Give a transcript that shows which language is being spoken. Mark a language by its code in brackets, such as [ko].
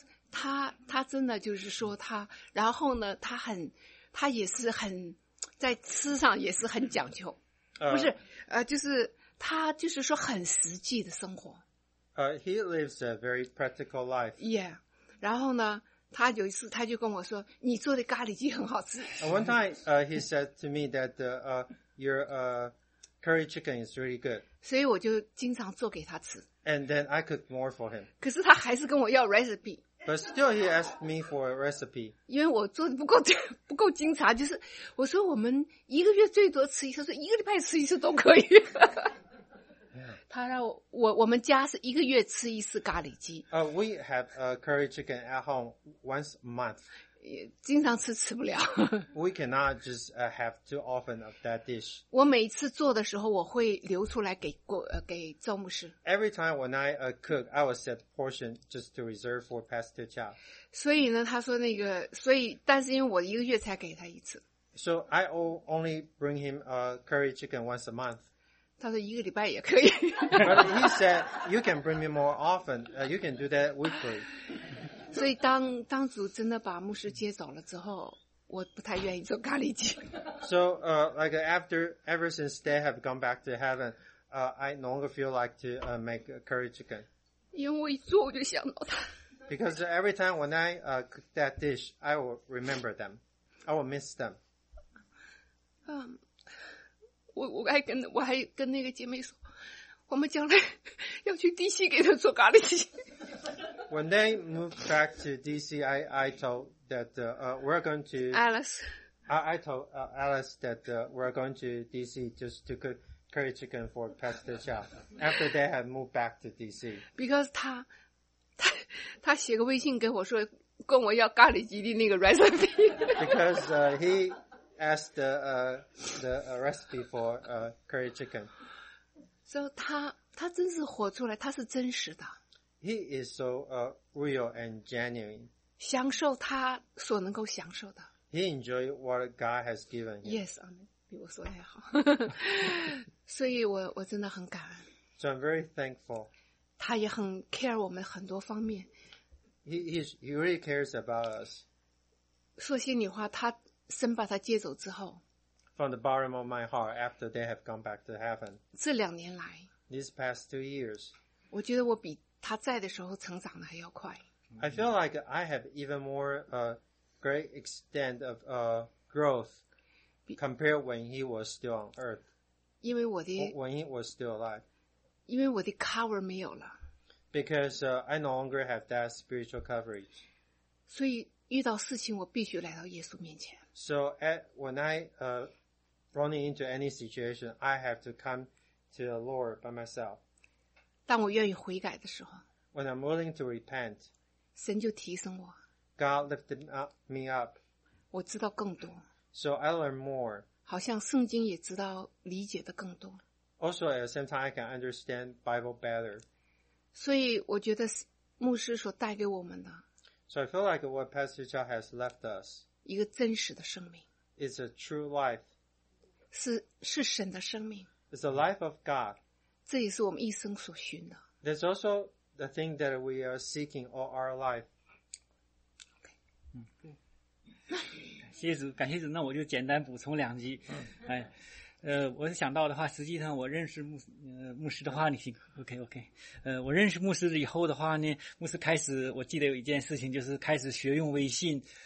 [zh] 他真的就是说他，然后呢，他也是很在吃上也是很讲究，不是就是他就是说很实际的生活。 [en] He lives a very practical life. Yeah. [zh] 然后呢？他有一次他就跟我说你做的咖喱鸡很好吃。 [en] One time, he said to me that, your, curry chicken is really good. [zh] 所以我就经常做给他吃。 [en] And then I cooked more for him. [zh] 可是他还是跟我要 [en] recipe. But still he asked me for a recipe. [zh] 因为我做的不够经常，就是我说我们一个月最多吃一次，说一个礼拜吃一次都可以。他让我们家是一个月吃一次咖喱鸡。 [en] We have a curry chicken at home once a month. [zh] 经常吃不了。 [en] We cannot just have too often of that dish. [zh] 我每次做的时候我会留出来给赵牧师。 [en] Every time when I cook, I will set portion just to reserve for Pastor Chow. [zh] 所以呢他说那个所以但是因为我一个月才给他一次。 [en] So I only bring him a curry chicken once a month. [zh] 他说一个礼拜也可以。 [en] But he said, you can bring me more often, you can do that weekly. [zh] 所以当主真的把牧师接走了之后，我不太愿意做咖喱鸡。 [en] So, like ever since they have gone back to heaven, I no longer feel like to make curry chicken. [zh] 因为我一做我就想到他。 [en] Because every time when I cook that dish, I will remember them. I will miss them. [zh] 我还跟那个姐妹说，我们将来要去 [en] DC [zh] 给她做咖喱鸡。 [en] When they moved back to DC, I told that we're going to Alice. I told Alice that we're going to DC just to cook curry chicken for Pastor Chow after they had moved back to DC. Because [zh] 他写个微信给我说，跟我要咖喱鸡丁那个 [en] recipe. Because he asked the recipe for curry chicken. So [zh] 他真是活出来，他是真实的。 [en] He is so real and genuine. [zh] 享受他所能够享受的。 [en] He enjoyed what God has given him. Yes, amen. [zh] 比我说的还好。所以我真的很感恩。 [en] So I'm very thankful. [zh] 他也很 [en] care [zh] 我们很多方面。 [en] He really cares about us. [zh] 说心里话，他神把他接走之后。 [en] From the bottom of my heart, after they have gone back to heaven. [zh] 这两年来。 [en] These past 2 years. [zh] 我觉得我比他在的时候成长的还要快。 [en] I feel like I have even more great extent of growth compared when he was still on earth. [zh] 因为我的。 [en] When he was still alive. [zh] 因为我的 [en] cover [zh] 没有了。 [en] Because I no longer have that spiritual coverage. [zh] 所以遇到事情我必须来到耶稣面前。 [en] So when I running into any situation, I have to come to the Lord by myself. [zh] 当我愿意悔改的时候。 [en] When I'm willing to repent. [zh] 神就提升我。 [en] God lifted me up. [zh] 我知道更多。 [en] So I learn more. [zh] 好像圣经也知道理解的更多。 [en] Also at the same time, I can understand Bible better. [zh] 所以我觉得牧师所带给我们的 [en] So I feel like what Pastor Cha has left us [zh] 一个真实的生命 [en] is a true life [zh] 是神的生命 [en] It's the life of God [zh] 这也是我们一生所寻的 [en] That's also the thing that we are seeking all our life OK [zh] 感谢主感谢主那我就简单补充两句我是想到的话，实际上我认识牧师的话，你行 ， [en] OK OK。 [zh] 我认识牧师以后的话呢，牧师开始，我记得有一件事情，就是开始学用微信。